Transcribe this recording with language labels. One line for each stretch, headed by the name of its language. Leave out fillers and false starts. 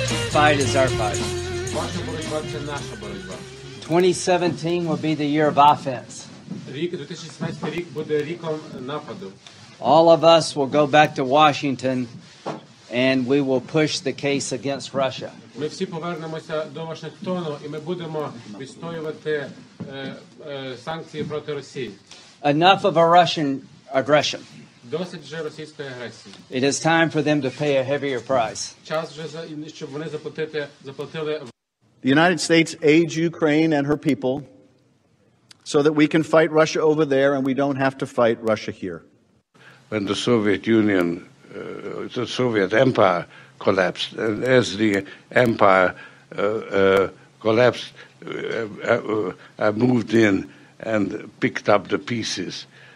English: Fight is our fight. 2017 will be the year of offense. All of us will go back to Washington and we will push the case against Russia.
Ukrainian: Ми всі повернемося до Вашингтону і ми будемо відстоювати санкції проти Росії.
English: Enough of a Russian aggression.
Ukrainian: Досить вже російської агресії.
English: It is time for them to pay a heavier price.
Ukrainian: Час вже щоб вони заплатили.
English: The United States aids Ukraine and her people so that we can fight Russia over there and we don't have to fight Russia here. When the Soviet Union, the Soviet Empire collapsed, and as the empire collapsed, I moved in and picked up the pieces.